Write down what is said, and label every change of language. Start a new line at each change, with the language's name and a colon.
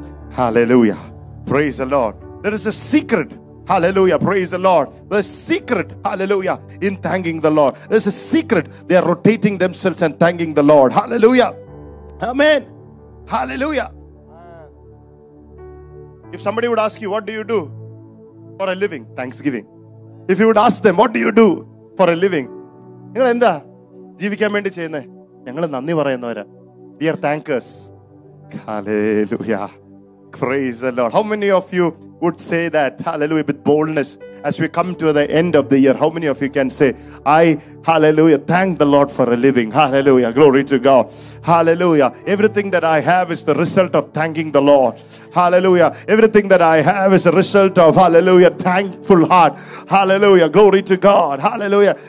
English: Hallelujah. Praise the Lord. There is a secret. Hallelujah. Praise the Lord. There's a secret. Hallelujah. In thanking the Lord. There's a secret. They are rotating themselves and thanking the Lord. Hallelujah. Amen. Hallelujah. If somebody would ask you, what do you do for a living? Thanksgiving. If you would ask them, what do you do for a living? You know,
Malayalam: ജീവിക്കാൻ വേണ്ടി ചെയ്യുന്നേ, ഞങ്ങൾ നന്ദി പറയുന്നവരാ.
English: Dear thankers. Hallelujah. Praise the Lord. How many of you would say that? Hallelujah, with boldness as we come to the end of the year, how many of you can say, I, hallelujah, thank the Lord for a living. Hallelujah. Glory to God. Hallelujah. Everything that I have is the result of thanking the Lord. Hallelujah. Everything that I have is a result of, hallelujah, thankful heart. Hallelujah. Glory to God. Hallelujah.